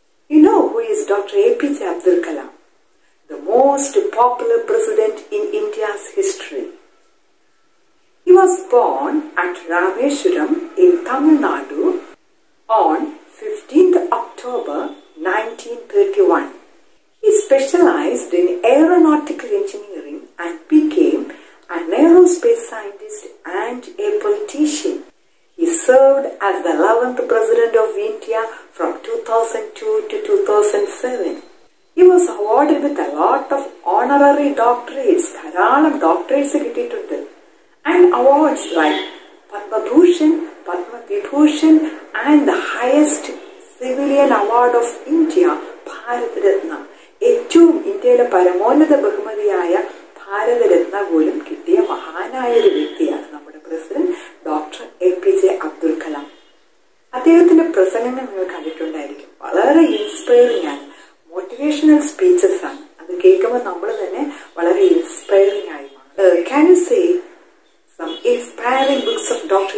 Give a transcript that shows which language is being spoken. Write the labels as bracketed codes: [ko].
[en] You know who is doctor A P J Abdul Kalam, the most popular president in India's history. He was born at Rameswaram in Tamil Nadu on 15th October 1931. He specialized in aeronautical engineering and became an aerospace scientist and a politician. He served as the 11th president of India from 2002 to 2007. He was awarded with a lot of honorary doctorates, [ml] tharalam doctorates kittittundu, [en] and awards like Padma Bhushan, Padma Vibhushan, and the highest civilian award of India, Bharat Ratna. [ml] ഏറ്റവും ഇന്ത്യയിലെ പരമോന്നത ബഹുമതിയായ ഭാരതരത്ന പോലും കിട്ടിയ മഹാനായ ഒരു വ്യക്തിയാണ് നമ്മുടെ president doctor A P J Abdul Kalam. അദ്ദേഹത്തിന്റെ പ്രസംഗങ്ങൾ നിങ്ങൾ കണ്ടിട്ടുണ്ടായിരിക്കും, വളരെ ഇൻസ്പയറിംഗ് ആണ്, മോട്ടിവേഷണൽ സ്പീച്ചസ് ആണ്. അത് കേൾക്കുമ്പോൾ നമ്മൾ തന്നെ വളരെ ഇൻസ്പയറിംഗ് ആയി മാറും. [en] Can you say some inspiring books of Dr.